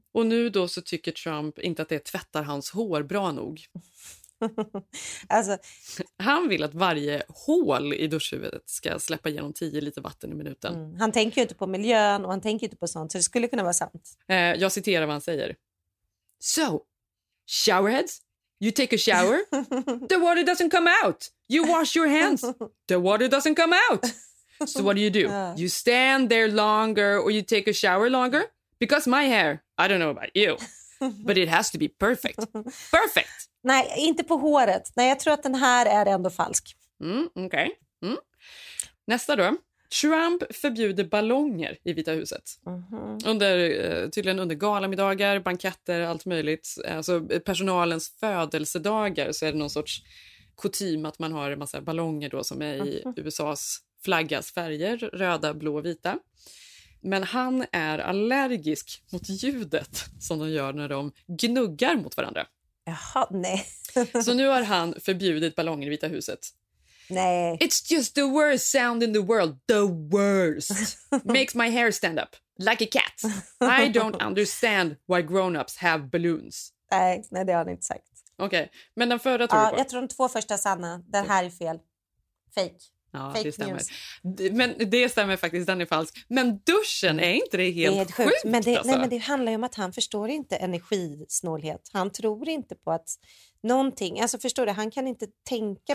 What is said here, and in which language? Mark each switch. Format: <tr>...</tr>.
<sv>Och nu då så tycker Trump inte att det tvättar hans hår bra nog. Alltså, han vill att varje hål i duschhuvudet ska släppa igenom 10 liter vatten i minuten. Han tänker ju inte på miljön och han tänker inte på sånt, så det skulle kunna vara sant. Jag citerar vad han säger.</sv> <en>So, showerheads, you take a shower, the water doesn't come out. You wash your hands, the water doesn't come out. So what do? You stand there longer or you take a shower longer? Because my hair, I don't know about you, but it has to be perfect. Perfect!</en> <sv>Nej, inte på håret. Nej, jag tror att den här är ändå falsk. Nästa då. Trump förbjuder ballonger i Vita huset. Under galamiddagar, banketter, allt möjligt. Alltså personalens födelsedagar så är det någon sorts kutym att man har en massa ballonger då som är i USAs flaggas färger, röda, blå och vita. Men han är allergisk mot ljudet som de gör när de gnuggar mot varandra. Jaha, nej. Så nu har han förbjudit ballonger i Vita huset. Nej.</sv> <en>It's just the worst sound in the world. The worst. Makes my hair stand up. Like a cat. I don't understand why grown-ups have balloons.</en> <sv>Nej, det har han inte sagt. Okej, men den förra tror du på? Jag tror de två första är sanna. Den här är fel. Fake. Ja, fake det stämmer. Men det stämmer faktiskt, den är falsk. Men duschen, är inte det helt det är sjukt? Men det, alltså? Nej, men det handlar ju om att han förstår inte energisnålhet. Han tror inte på att någonting, alltså förstår du, han kan inte tänka</sv>